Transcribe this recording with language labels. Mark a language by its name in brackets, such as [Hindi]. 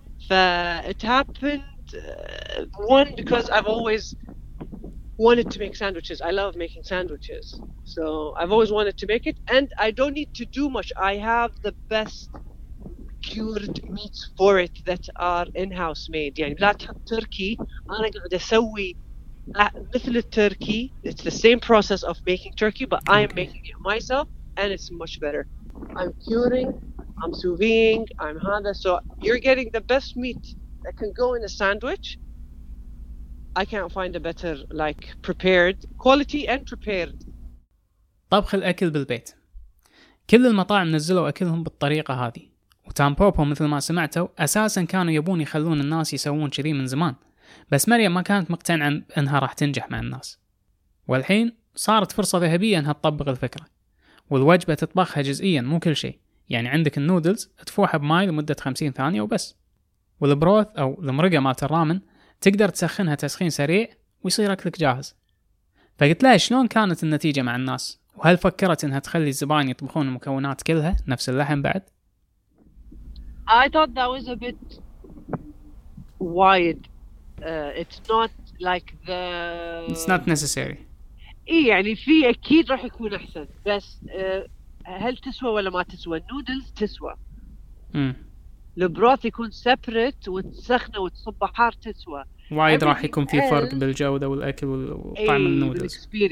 [English] It happened one because I've always wanted to make sandwiches. I love making sandwiches, so I've always wanted to make it, and I don't need to do much. I have the best cured meats for it that are in-house made. [Arabic] يعني بلا تركي أنا قاعد أسوي مثل التركي. [English] It's the same process of making turkey, but I am making it myself, and it's much better. I'm curing, I'm sous-viding, I'm hada. So you're getting the best meat that can go in a sandwich. I can't find a better like prepared quality and prepared. [Arabic] طبخ الأكل بالبيت. كل المطاعم نزلوا أكلهم بالطريقة هذه. وتام بوبو مثل ما سمعتوا أساساً كانوا يبون يخلون الناس يسوون كذي من زمان. بس مريم ما كانت مقتنعة أنها راح تنجح مع الناس. والحين صارت فرصة ذهبية أنها تطبق الفكرة. والوجبة تطبخها جزئياً مو كل شيء. يعني عندك النودلز تفوحها بماي لمدة 50 ثانية وبس. والبروث أو المرقة مالت الرامن تقدر تسخنها تسخين سريع ويصير أكلك جاهز. فقلت لها شلون كانت النتيجة مع الناس؟ وهل فكرت أنها تخلي الزبائن يطبخون المكونات كلها نفس اللحم بعد؟ [English] I thought that was a bit wide. It's not like the it's not necessary. [Arabic] إيه يعني في أكيد راح يكون أحسن بس هل تسوى ولا ما تسوى؟ النودلز تسوى. البروث يكون سيبريت وتسخنه وتصبه حار تسوى. وايد راح يكون في فرق بالجودة والأكل والطعم النودلز.